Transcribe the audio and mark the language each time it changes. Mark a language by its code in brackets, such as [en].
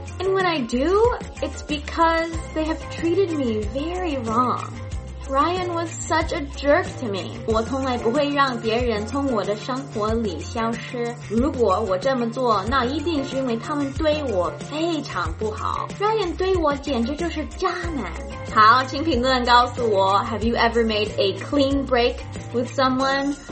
[en] And when I do, it's because they have treated me very wrong. Ryan was such a jerk to me. [zh] 我从来不会让别人从我的生活里消失。如果我这么做，那一定是因为他们对我非常不好。 Ryan 对我简直就是渣男。好，请评论告诉我， [en] Have you ever made a clean break with someone?